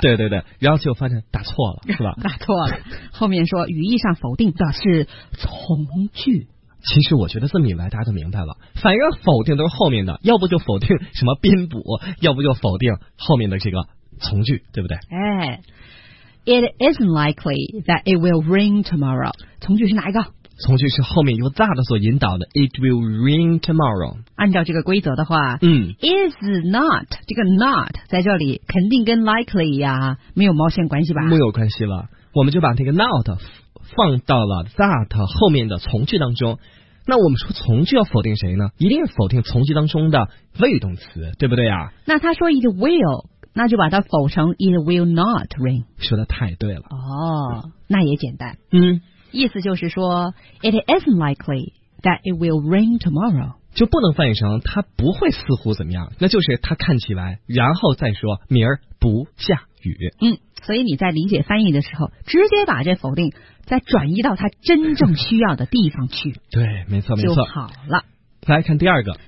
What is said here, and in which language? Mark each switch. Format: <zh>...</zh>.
<zh>对对对，然后就发现打错了，是吧？打错了。后面说语义上否定的是从句。其实我觉得这么一来大家都明白了，反正否定都是后面的，要不就否定什么宾补，要不就否定后面的这个从句，对不对？</zh> <en>哎， It isn't likely that it will rain tomorrow。</en> <zh>从句是哪一个？从句是后面由 that 所引导的</zh> <en>it will rain tomorrow。</en> <zh>按照这个规则的话，is not 这个 not 在这里肯定跟 likely 呀，没有毛线关系吧，没有关系了，我们就把这个 not 放到了 that 后面的从句当中。那我们说从句要否定谁呢？一定是否定从句当中的谓语动词，对不对啊？那他说 it will，那就把它否成</zh> <en>it will not rain。</en> <zh>说的太对了。那也简单。嗯，意思就是说</zh> <en>it isn't likely that it will rain tomorrow。</en> <zh>就不能翻译成他不会似乎怎么样，那就是他看起来，然后再说明儿不下雨。嗯，所以你在理解翻译的时候，直接把这否定再转移到他真正需要的地方去。对，没错没错，就好了。来看第二个，</zh>